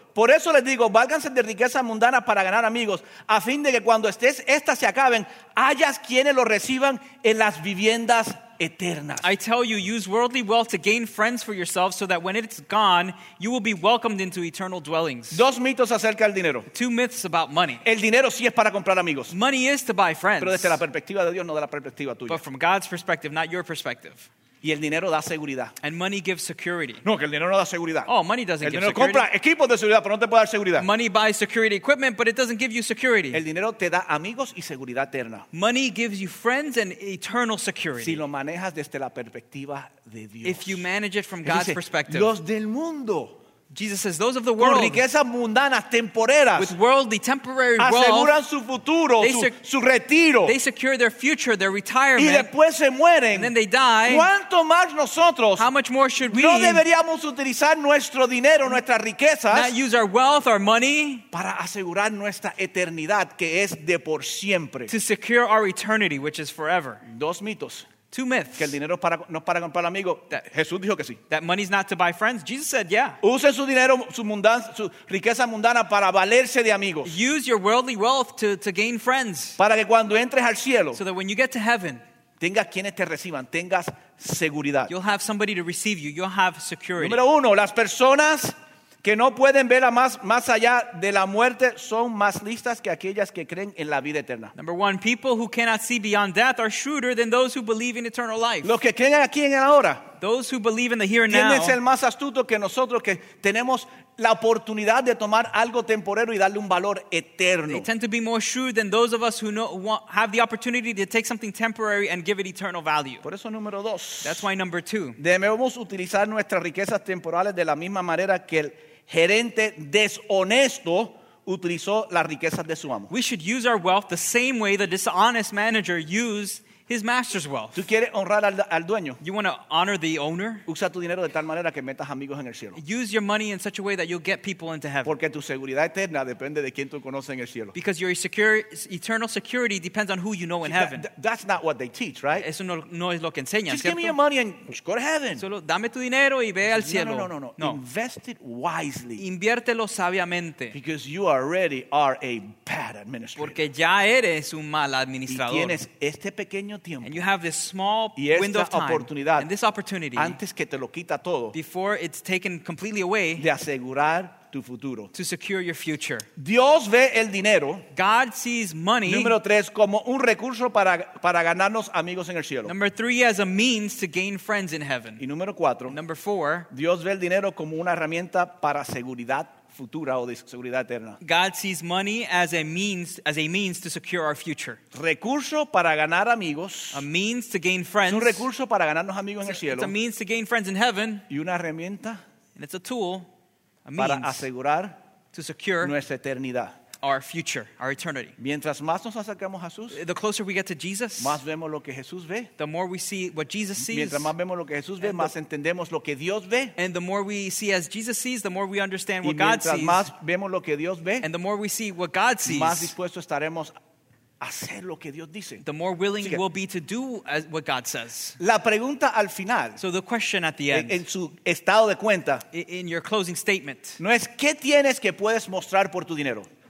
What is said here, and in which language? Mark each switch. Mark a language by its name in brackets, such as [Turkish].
[Spanish] Por eso les digo, válganse de riqueza mundana para ganar amigos, a fin de que cuando estas se acaben, hayas quienes lo reciban en las viviendas eternas. [English] I tell you, use worldly wealth to gain friends for yourself so that when it's gone, you will be welcomed into eternal dwellings. [Spanish] Dos mitos acerca del dinero. [English] Two myths about money. [Spanish] El dinero sí es para comprar amigos. [English] Money is to buy friends. [Spanish] Pero desde la perspectiva de Dios, no de la perspectiva tuya. [English] But from God's perspective, not your perspective. [Spanish] Y el dinero da seguridad. [English] And money gives security. [Spanish] No, que el dinero no da seguridad. [English] Oh, money doesn't give security. [Spanish] El dinero compra equipos de seguridad, pero no te puede dar seguridad. [English] Money buys security equipment, but it doesn't give you security. [Spanish] El dinero te da amigos y seguridad eterna. [English] Money gives you friends and eternal security. [Spanish] Si lo manejas desde la perspectiva de Dios. [English] If you manage it from God's perspective. [Spanish] Los del mundo. [English] Jesus says, those of the world [Spanish] con riquezas mundanas temporeras, [English] with worldly temporary wealth, [Spanish] aseguran su futuro, su retiro, [English] they secure their future, their retirement, [Spanish] y después se mueren, [English] and then they die. [Spanish] ¿Cuánto más nosotros? [English] How much more should we? [Spanish] No deberíamos utilizar nuestro dinero, nuestras riquezas, [English] not use our wealth, our money, [Spanish] para asegurar nuestra eternidad, que es de por siempre. [English] To secure our eternity, which is forever. [Spanish] Dos mitos. [English] Two myths. [Spanish] Que el dinero no es para comprar amigos. Jesús dijo que sí. [English] That money's not to buy friends. Jesus said, yeah. [Spanish] Use su dinero, su riqueza mundana para valerse de amigos. [English] Use your worldly wealth to gain friends. [Spanish] Para que cuando entres al cielo. [English] So that when you get to heaven. [Spanish] Tengas quienes te reciban. Tengas seguridad. [English] You'll have somebody to receive you. You'll have security. [Spanish] Número uno, las personas que no pueden ver más allá de la muerte son más listas que aquellas que creen en la vida eterna. [English] Number one, people who cannot see beyond death are shrewder than those who believe in eternal life. [Spanish] Los que creen aquí en el ahora. [English] Those who believe in the here and now. [Spanish] ¿Quién es el más astuto que nosotros que tenemos la oportunidad de tomar algo temporero y darle un valor eterno. [English] They tend to be more shrewd than those of us who know, want, have the opportunity to take something temporary and give it eternal value. [Spanish] Por eso número dos. [English] That's why number two. [Spanish] Debemos utilizar nuestras riquezas temporales de la misma manera que el gerente deshonesto utilizó las riquezas de su amo. [English] We should use our wealth the same way the dishonest manager used his master's wealth. [Spanish] ¿Tú quieres honrar al dueño? [English] You want to honor the owner? [Spanish] Usa tu dinero de tal manera que metas amigos en el cielo. [English] Use your money in such a way that you'll get people into heaven. [Spanish] Porque tu seguridad eterna depende de quien tú conoces en el cielo. [English] Because your eternal security depends on who you know in heaven. That's not what they teach, right? [Spanish] Eso no es lo que enseñan, ¿cierto? [English] Just give me your money and go to heaven. [Spanish] Solo dame tu dinero y ve al cielo. [English] No. Invest it wisely. [Spanish] Inviértelo sabiamente. [English] Because you already are a bad administrator. [Spanish] Porque ya eres un mal administrador. Y tienes este pequeño tiempo. [English] And you have this small window of time, and this opportunity, [Spanish] antes que te lo quita todo, [English] before it's taken completely away, [Spanish] de asegurar tu futuro, [English] to secure your future. [Spanish] Dios ve el dinero, [English] God sees money, [Spanish] número tres, como un recurso para ganarnos amigos en el cielo. [English] Number three, as a means to gain friends in heaven. [Spanish] Y número cuatro, [English] number four, [Spanish] Dios ve el dinero como una herramienta para seguridad futura o de seguridad eterna. [English] God sees money as a means to secure our future. [Spanish] Recurso para ganar amigos. [English] A means to gain friends. [Spanish] Es un recurso para ganarnos amigos en el cielo. [English] It's a means to gain friends in heaven. [Spanish] Y una herramienta. [English] And it's a tool. A means [Spanish] para asegurar [English] to secure [Spanish] nuestra eternidad. [English] Our future, our eternity. [Spanish] Mientras más nos acercamos a Jesús, [English] the closer we get to Jesus, [Spanish] más vemos lo que Jesús ve. [English] The more we see what Jesus sees. [Spanish] Mientras más vemos lo que Jesús ve, más entendemos lo que Dios ve. [English] And the more we see as Jesus sees, the more we understand what [Spanish] y [English] God sees. [Spanish] Mientras más vemos lo que Dios ve, [English] and the more we see what God sees, [Spanish] más dispuesto estaremos a hacer lo que Dios dice. [English] The more willing we'll be to do as what God says. [Spanish] La pregunta al final, [English] so the question at the end, [Spanish] en su estado de cuenta, [English] in your closing statement, [Spanish] no es qué tienes que puedes mostrar por tu dinero.